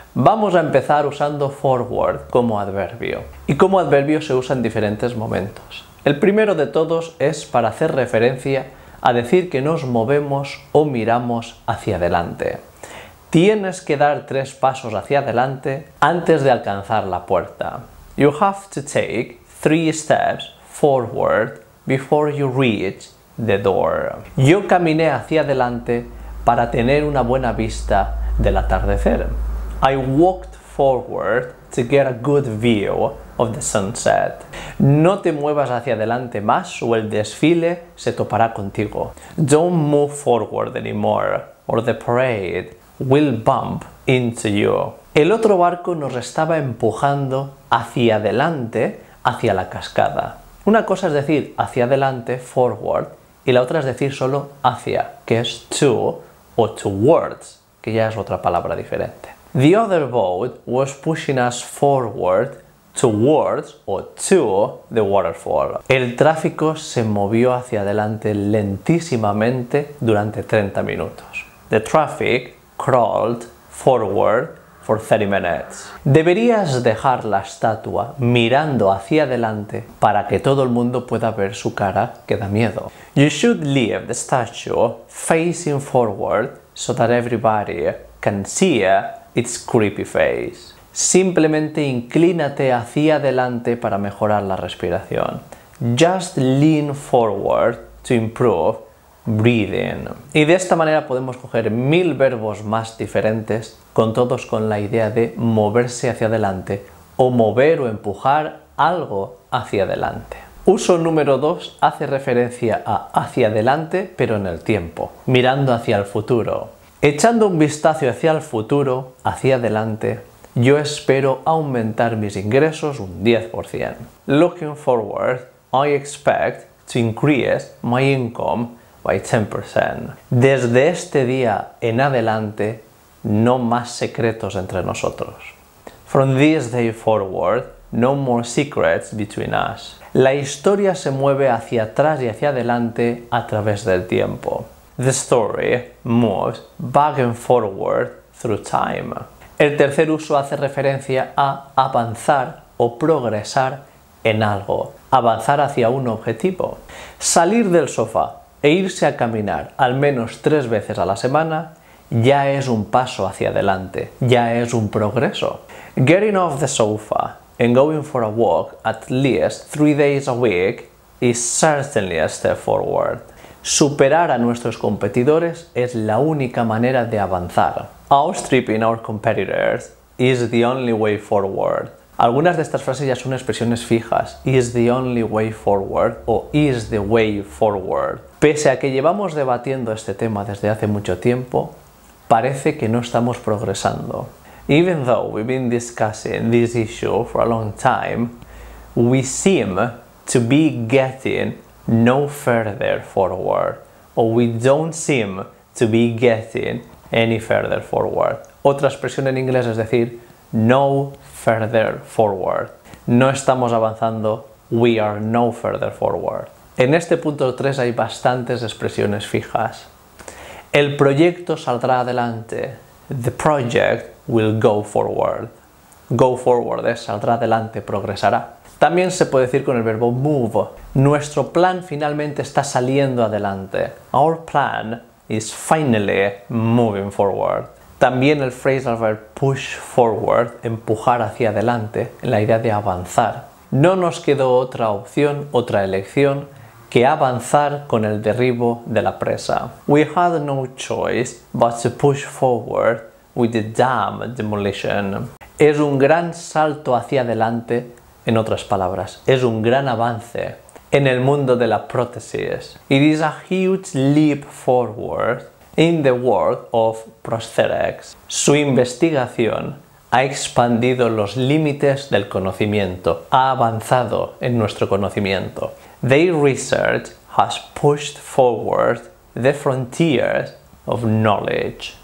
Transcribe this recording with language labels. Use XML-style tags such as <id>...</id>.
<es>Vamos a empezar usando forward como adverbio. Y como adverbio se usa en diferentes momentos. El primero de todos es para hacer referencia a decir que nos movemos o miramos hacia adelante. Tienes que dar 3 pasos hacia adelante antes de alcanzar la puerta.</es> <en>You have to take 3 steps forward before you reach the door.</en> <es>Yo caminé hacia adelante para tener una buena vista del atardecer.</es> <en>I walked forward to get a good view of the sunset.</en> <es>No te muevas hacia adelante más o el desfile se topará contigo.</es> <en>Don't move forward anymore or the parade will bump into you.</en> <es>El otro barco nos estaba empujando hacia adelante, hacia la cascada. Una cosa es decir hacia adelante, forward, y la otra es decir solo hacia, que es to o towards, que ya es otra palabra diferente.</es> <en>The other boat was pushing us forward towards o to the waterfall.</en> <es>El tráfico se movió hacia adelante lentísimamente durante 30 minutos.</es> <en>The traffic crawled forward for 30 minutes.</en> <es>Deberías dejar la estatua mirando hacia adelante para que todo el mundo pueda ver su cara que da miedo.</es> <en>You should leave the statue facing forward so that everybody can see its creepy face.</en> <es>Simplemente inclínate hacia adelante para mejorar la respiración.</es> <en>Just lean forward to improve breathing.</en> <es>Y de esta manera podemos coger 1000 verbos más diferentes, con todos con la idea de moverse hacia adelante o mover o empujar algo hacia adelante. Uso número 2 hace referencia a hacia adelante, pero en el tiempo, mirando hacia el futuro. Echando un vistazo hacia el futuro, hacia adelante, yo espero aumentar mis ingresos un 10%.</es> <en>Looking forward, I expect to increase my income by 10%.</en> <es>Desde este día en adelante, no más secretos entre nosotros.</es> <en>From this day forward, no more secrets between us.</en> <es>La historia se mueve hacia atrás y hacia adelante a través del tiempo.</es> <en>The story moves back and forward through time.</en> <es>El tercer uso hace referencia a avanzar o progresar en algo. Avanzar hacia un objetivo. Salir del sofá e irse a caminar al menos 3 veces a la semana ya es un paso hacia adelante, ya es un progreso.</es> <en>Getting off the sofa and going for a walk at least 3 days a week is certainly a step forward.</en> <es>Superar a nuestros competidores es la única manera de avanzar.</es> <en>Outstripping our competitors is the only way forward.</en> <es>Algunas de estas frases ya son expresiones fijas.</es> <en>Is the only way forward o is the way forward.</en> <es>Pese a que llevamos debatiendo este tema desde hace mucho tiempo, parece que no estamos progresando.</es> <en>Even though we've been discussing this issue for a long time, we seem to be getting no further forward. Or we don't seem to be getting any further forward.</en> <es>Otra expresión en inglés es decir, no further forward. No estamos avanzando,</es> <en>we are no further forward.</en> <es>En este punto 3 hay bastantes expresiones fijas. El proyecto saldrá adelante.</es> <en>The project will go forward.</en> <es>Go forward es saldrá adelante, progresará. También se puede decir con el verbo move. Nuestro plan finalmente está saliendo adelante.</es> <en>Our plan is finally moving forward.</en> <es>También el phrasal verb push forward, empujar hacia adelante, la idea de avanzar. No nos quedó otra opción, otra elección, que avanzar con el derribo de la presa.</es> <en>We had no choice but to push forward with the dam demolition.</en> <es>Es un gran salto hacia adelante, en otras palabras, es un gran avance en el mundo de la prótesis.</es> <en>It is a huge leap forward in the world of prosthetics.</en> <es>Su investigación ha expandido los límites del conocimiento, ha avanzado en nuestro conocimiento.</es> <en>Their research has pushed forward the frontiers of knowledge.</en>